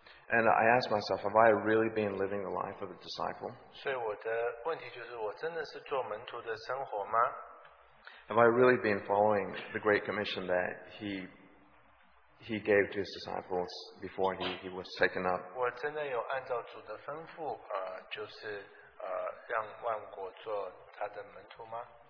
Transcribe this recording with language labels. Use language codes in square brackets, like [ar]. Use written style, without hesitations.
[en] And I ask myself, have I really been living the life of a disciple? [zh] 所以我的问题就是，我真的是做门徒的生活吗？ [en] Have I really been following the Great Commission that He gave to His disciples before He was taken up? [zh] 我真的有按照主的吩咐，就是让万国做他的门徒吗？